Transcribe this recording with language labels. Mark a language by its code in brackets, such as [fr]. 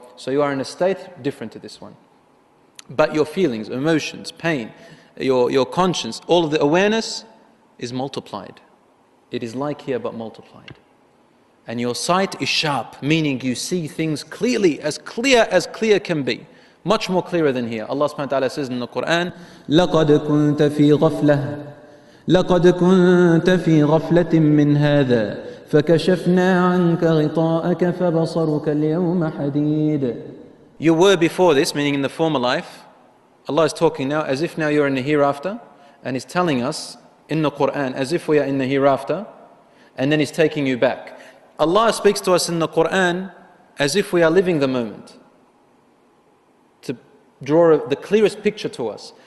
[en] So you are in a state different to this one. But your feelings, emotions, pain, your conscience, all of the awareness is multiplied. It is like here, but multiplied. And your sight is sharp, meaning you see things clearly, as clear can be. Much more clearer than here. Allah subhanahu wa ta'ala says in the Quran, [ar] لَقَدْ كُنْتَ فِي غَفْلَةٍ لَقَدْ كُنْتَ فِي غَفْلَةٍ مِّنْ هَذَا فَكَشَفْنَا عَنْكَ غِطَاءَكَ فَبَصَرُكَ الْيَوْمَ حَدِيدٌ. [en] You were before this, meaning in the former life. Allah is talking now as if now you're in the hereafter, and He's telling us in the Quran as if we are in the hereafter, and then He's taking you back. Allah speaks to us in the Quran as if we are living the moment, to draw the clearest picture to us.